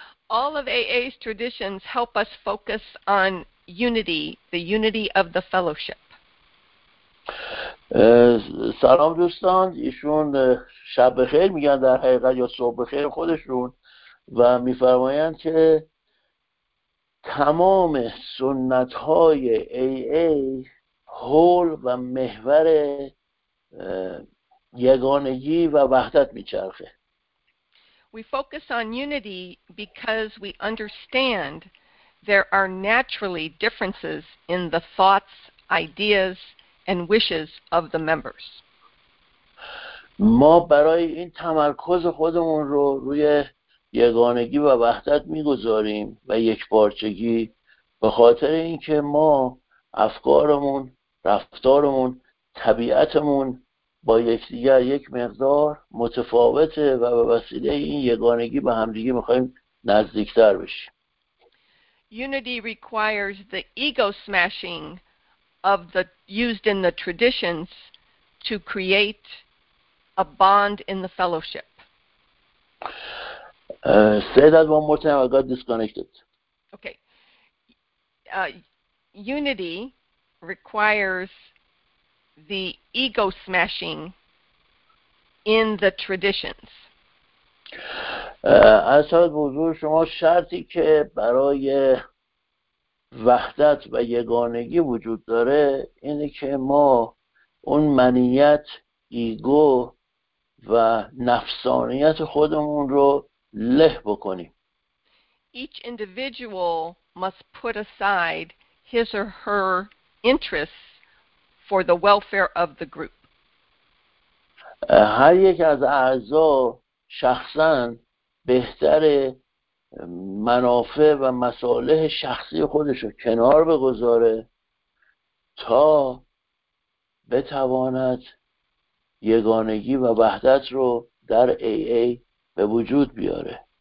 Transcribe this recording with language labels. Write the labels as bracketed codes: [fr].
[en] All of AA's traditions help us focus on unity, the unity of the fellowship. [fa] سلام دوستان، ایشون شب بخیر میگن در حقیقت یا صبح بخیر خودشون و میفرمایند که تمام سنت های AA حول و محور یگانگی و وحدت میچرخه. [en] We focus on unity because we understand there are naturally differences in the thoughts, ideas and wishes of the members. [fa] ما برای این تمرکز خودمون رو روی یگانگی و وحدت می‌گذاریم و یک پارچگی به خاطر اینکه ما افکارمون، رفتارمون، طبیعتمون با یکدیگر یک مقدار متفاوته و به وسیله این یگانگی به همدیگه می‌خوایم نزدیک‌تر بشیم. [en] Unity requires the ego smashing of the used in the traditions to create a bond in the fellowship. Say that one more time. I got disconnected. Okay. Unity requires the ego smashing in the traditions. [fa] اساس حضور شما شرطی که برای وحدت و یگانگی وجود داره اینه که ما اون منیت، ایگو و نفسانیت خودمون رو له بکنیم. [en] Each individual must put aside his or her interests for the welfare of the group. [fa] هر یک از اعضا شخصا بهتر منافع و مصالح شخصی خودش رو کنار بگذاره تا بتواند یگانگی و وحدت رو در AA به وجود بیاره.